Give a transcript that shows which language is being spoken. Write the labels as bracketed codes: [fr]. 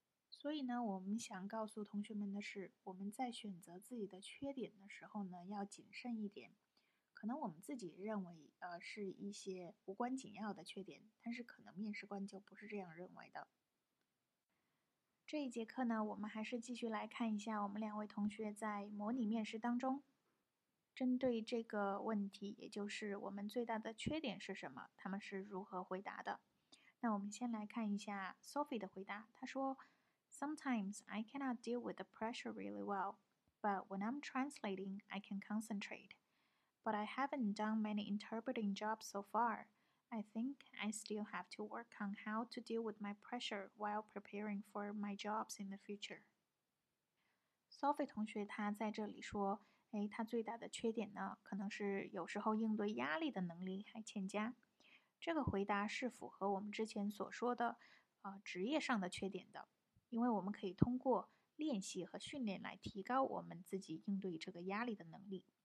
[zh] 所以呢，我们想告诉同学们的是，我们在选择自己的缺点的时候呢要谨慎一点，可能我们自己认为是一些无关紧要的缺点，但是可能面试官就不是这样认为的。这一节课呢，我们还是继续来看一下我们两位同学在模拟面试当中针对这个问题，也就是我们最大的缺点是什么，他们是如何回答的。那我们先来看一下 Sophie 的回答。她说 [en] Sometimes I cannot deal with the pressure really well, but when I'm translating, I can concentrate. But I haven't done many interpreting jobs so far. I think I still have to work on how to deal with my pressure while preparing for my jobs in the future. [zh] Sophie 同学她在这里说，她最大的缺点呢，可能是有时候应对压力的能力还欠佳。这个回答是符合我们之前所说的职业上的缺点的，因为我们可以通过练习和训练来提高我们自己应对这个压力的能力。